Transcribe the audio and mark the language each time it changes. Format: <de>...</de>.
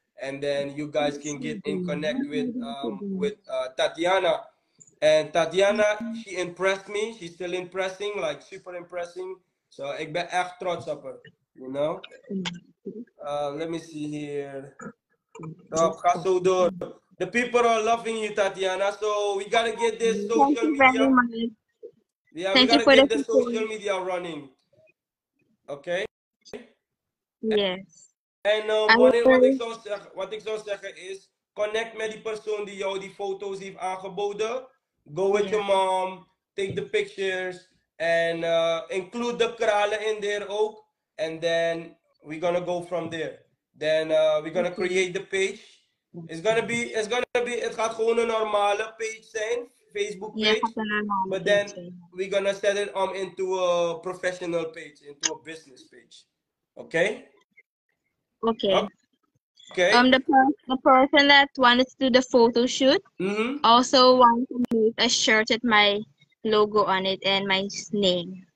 <en>And then you guys can get in connect with Tatiyana. And Tatiyana, she impressed me. She's still impressing, like super impressing.</en> <nl>So ik ben echt trots op haar,</nl> <en>you know. Let me see here.</en> <nl>Top, ga zo door.</nl> <en>The people are loving you, Tatiyana. So we gotta get this social media. Yeah, thank we gotta get the social media running. Okay? Yes. And</en> <nl>wat ik zou zeggen is, connect met die persoon die jou die foto's heeft aangeboden.</nl> <en>Go with your mom, take the pictures, and include the kralen in there</en> <nl>ook.</nl> <en>And then we're gonna go from there. Then we're gonna create the page.</en> <nl>Het gaat gewoon een normale page zijn.</nl> <en>Facebook page, but then we're gonna set it into a professional page, into a business page. Okay? Okay. Okay. The person that wanted to do the photo shoot also wants to make a shirt with my logo on it and my name.</en>